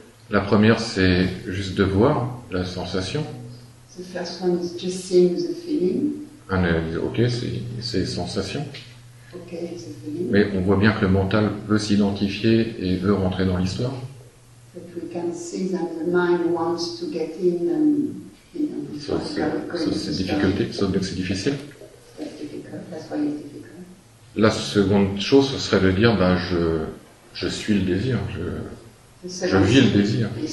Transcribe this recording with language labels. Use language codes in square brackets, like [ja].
[fr] La première, c'est juste de voir la sensation. [en] The first one is just seeing the feeling. [fr] Ah, ok, c'est sensation. [en] Okay, it's a feeling. [fr] Mais on voit bien que le mental veut s'identifier et veut rentrer dans l'histoire. [en] But we can see that the mind wants to get in and, you know, [fr] c'est difficulté, ça, donc c'est difficile. [en] That's why it's difficult. [fr] La seconde chose, ce serait de dire, ben, je suis le désir, je vis le désir.